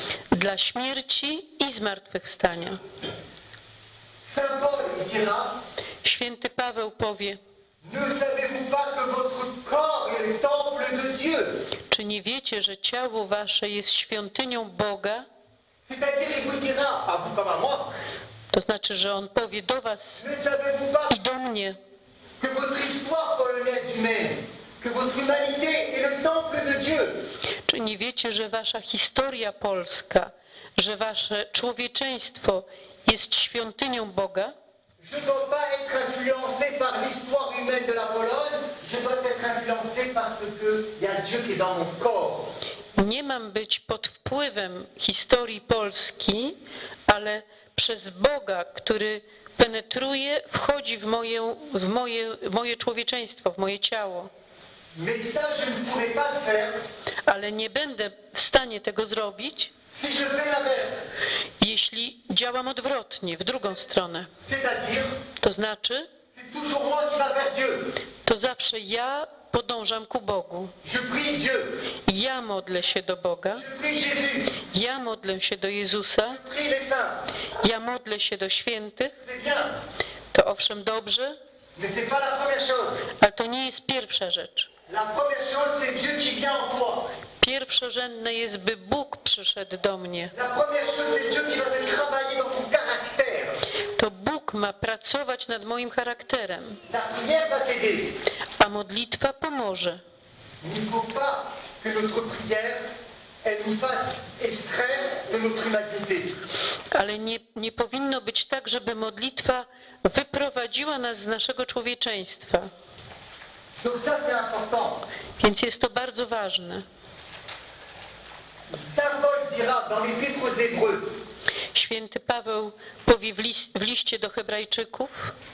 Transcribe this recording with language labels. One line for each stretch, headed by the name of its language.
Polish: Dla śmierci i zmartwychwstania.
French: Saint Paul dira.
Polish: Święty Paweł powie.
French: Ne savez-vous pas que votre corps est le temple de Dieu?
Polish: Czy nie wiecie, że ciało wasze jest świątynią Boga?
French: C'est-à-dire, il vous dira, à vous comme à moi.
Polish: To znaczy, że on powie do was i do mnie.
French: Que votre histoire polonaise humaine. Que votre humanité est le temple de Dieu.
Polish: Czy nie wiecie, że wasza historia polska, że wasze człowieczeństwo jest świątynią Boga?
French: Je ne dois pas être influencé par l'histoire humaine de la Pologne, je dois être influencé parce que y a Dieu qui est dans mon corps.
Polish: Nie mam być pod wpływem historii Polski, ale przez Boga, który penetruje, wchodzi w moje człowieczeństwo, w moje ciało.
French: Mais ça, je ne pourrai pas faire,
Polish: ale nie będę w stanie tego zrobić,
French: si je fais l'inverse.
Polish: Jeśli działam odwrotnie, w drugą stronę.
French: C'est-à-dire,
Polish: to znaczy,
French: c'est toujours moi qui va vers Dieu.
Polish: To zawsze ja podążam ku Bogu.
French: Je prie Dieu.
Polish: Ja modlę się do Boga.
French: Je prie Jésus.
Polish: Ja modlę się do Jezusa.
French: Je prie les saints.
Polish: Ja modlę się do świętych.
French: C'est bien.
Polish: To owszem dobrze.
French: Mais c'est pas la première chose.
Polish: Ale to nie jest pierwsza rzecz.
French: La première chose, c'est Dieu qui vient en toi.
Polish: Pierwszorzędne jest, by Bóg przyszedł do mnie.
French: La première chose, c'est Dieu qui va travailler dans ton caractère.
Polish: To Bóg ma pracować nad moim charakterem.
French: La prière va t'aider.
Polish: A modlitwa pomoże.
French: Il ne faut pas que notre prière elle nous fasse extraire de notre humanité.
Polish: Ale nie powinno być tak, żeby modlitwa wyprowadziła nas z naszego człowieczeństwa.
French: Donc ça, c'est important.
Polish: Więc jest to bardzo ważne.
French: Saint Paul dira dans l'épître aux Hébreux.
Polish: Święty Paweł powie w liście do Hebrajczyków.